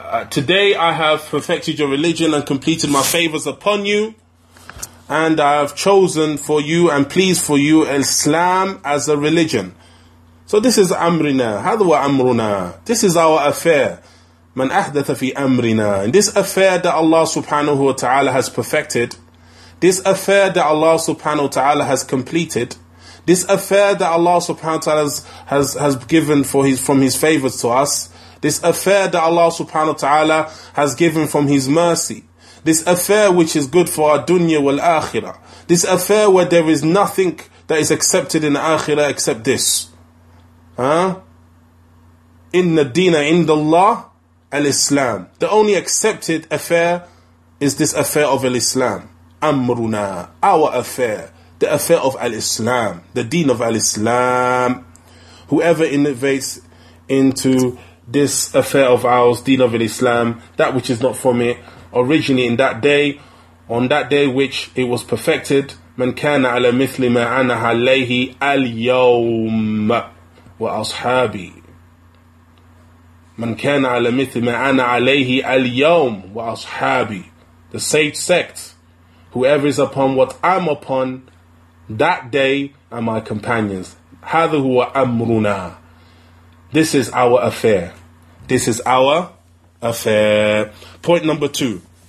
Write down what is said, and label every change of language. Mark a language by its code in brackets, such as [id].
[en] Today I have perfected your religion and completed my favors upon you, and I have chosen for you and pleased for you Islam as a religion. So this is amrina. [ar] هذا هو amruna. [en] This is our affair. [ar] من أحدث في amrina. [en] And this affair that Allah subhanahu wa ta'ala has perfected, this affair that Allah subhanahu wa ta'ala has completed, this affair that Allah subhanahu wa ta'ala has given for from his favors to us, this affair that Allah subhanahu wa ta'ala has given from His mercy, this affair which is good for our dunya wal akhirah, this affair where there is nothing that is accepted in the akhirah except this. [ar] Inna deena indallah al-Islam. [en] The only accepted affair is this affair of al-Islam. Amruna, our affair, the affair of al-Islam, the deen of al-Islam. Whoever innovates into this affair of ours, deen of Islam, that which is not from it, originally in that day, on that day which it was perfected, [ar] من كان على مثل ما أنا عليه اليوم وأصحابي. من كان على مثل ما أنا عليه اليوم وأصحابي. [en] The sage sect, whoever is upon what I'm upon, that day and my companions. [ar] هذا هو أمرنا. [en] This is our affair. This is our affair. Point number two.